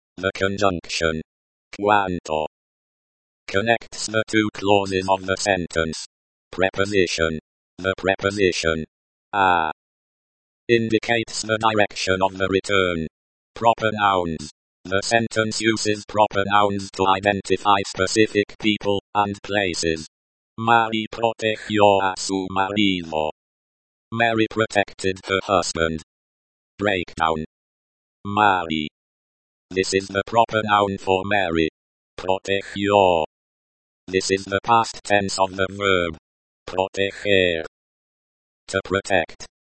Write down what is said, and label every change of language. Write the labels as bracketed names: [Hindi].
[English] The conjunction. Cuanto. Connects the two clauses of the sentence. Preposition. The preposition. A. Indicates the direction of the return. Proper nouns. The sentence uses proper nouns to identify specific people and places. [Spanish] Mary protegió a su marido. [English] Mary protected her husband. Breakdown. Mary. This is the proper noun for Mary. Protegió. This is the past tense of the verb. Proteger. To protect.